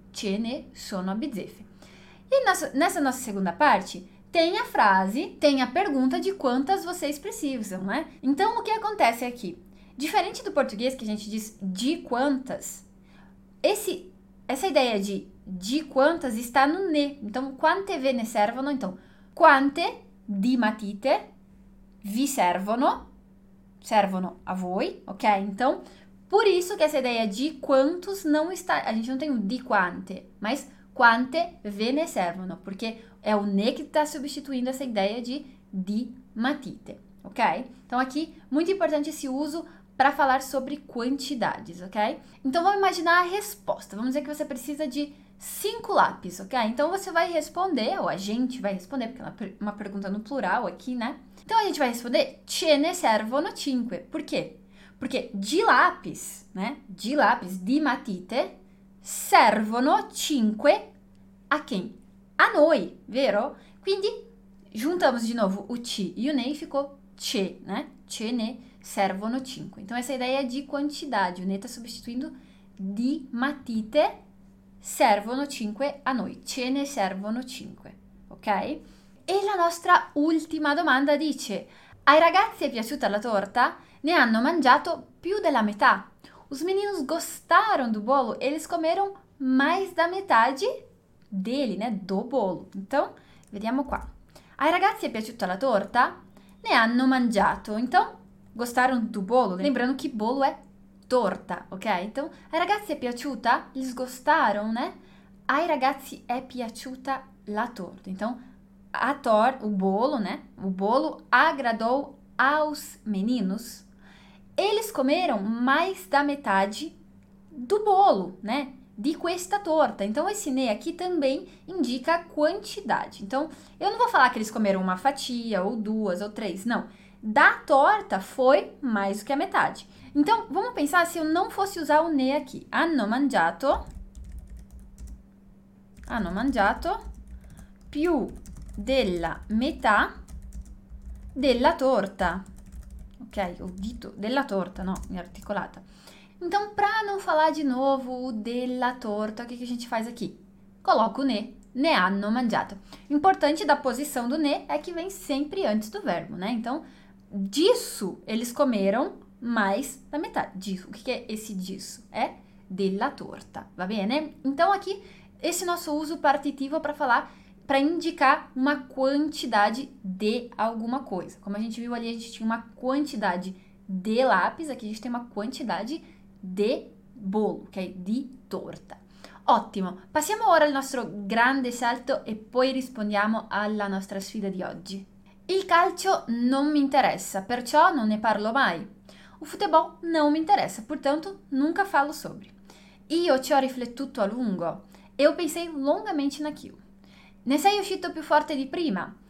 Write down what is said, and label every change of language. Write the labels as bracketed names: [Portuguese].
[Italian] Che ne sono abizefe. [Portuguese] E nessa nossa segunda parte, tem a frase, tem a pergunta de quantas vocês precisam, né? Então, o que acontece aqui? Diferente do português, que a gente diz de quantas, essa ideia de quantas está no ne. [Italian] Então, quante ve ne servono? Então, quante di matite vi servono? Servono a voi, ok? [Portuguese] Então, por isso que essa ideia de quantos não está... A gente não tem o di quante, mas [Italian] quante ve ne servono, [Portuguese] porque é o ne que está substituindo essa ideia de di matite, ok? Então, aqui, muito importante esse uso para falar sobre quantidades, ok? Então, vamos imaginar a resposta. Vamos dizer que você precisa de 5 lápis, ok? Então, você vai responder, ou a gente vai responder, porque é uma pergunta no plural aqui, né? Então, a gente vai responder [Italian] ce ne servono 5. [Portuguese] Por quê? Porque di lápis, né? [Italian] Di lápis, di matite, servono 5 [Portuguese] a quem? [Italian] A noi, vero? Quindi, [Portuguese] juntamos de novo o ti e o ne e ficou ce, né? [Italian] Ce ne servono 5. [Portuguese] Então, essa ideia de quantidade, o ne está substituindo di matite, [Italian] servono 5 a noi. Ce ne servono 5, ok? E la nostra ultima domanda dice: ai ragazzi è piaciuta la torta? Ne hanno mangiato più della metà. [Portuguese] Os meninos gostaram do bolo? Eles comeram mais da metade dele, né? Do bolo. Então, [Italian] vediamo qua. Ai ragazzi è piaciuta la torta? Ne hanno mangiato. [Portuguese] Então, gostaram do bolo? Lembrando che bolo [Italian] è torta, [Portuguese] ok? Então, [Italian] ai ragazzi è piaciuta? [Portuguese] Eles gostaram, né? [Italian] Ai ragazzi è piaciuta la torta. [Portuguese] Então, o bolo, né? O bolo agradou aos meninos. Eles comeram mais da metade do bolo, né? De [Italian] questa torta. [Portuguese] Então, esse ne aqui também indica a quantidade. Então, eu não vou falar que eles comeram uma fatia, ou duas, ou três, não. Da torta foi mais do que a metade. Então, vamos pensar se eu não fosse usar o ne aqui. [Italian] Hanno mangiato. Hanno mangiato. Più della metà della torta. Ok, o dito della torta, no, in articolata. [Portuguese] Então, para não falar de novo o della torta, o que a gente faz aqui? Coloca o ne. [Italian] Ne hanno mangiato. [Portuguese] Importante da posição do ne é que vem sempre antes do verbo, né? Então, disso eles comeram mais da metade. Disso. O que é esse disso? É [Italian] della torta. Va bene? [Portuguese] Então, aqui, esse nosso uso partitivo para falar, para indicar uma quantidade de alguma coisa. Como a gente viu ali, a gente tinha uma quantidade de lápis, aqui a gente tem uma quantidade de bolo, ok? De torta. [Italian] Ottimo! Passiamo ora al nostro grande salto e poi rispondiamo alla nostra sfida di oggi. Il calcio non mi interessa, perciò non ne parlo mai. [Portuguese] O futebol não me interessa, portanto nunca falo sobre. [Italian] Io ci ho riflettuto a lungo, [Portuguese] eu pensei longamente naquilo. [Italian] Ne sei uscito più forte di prima.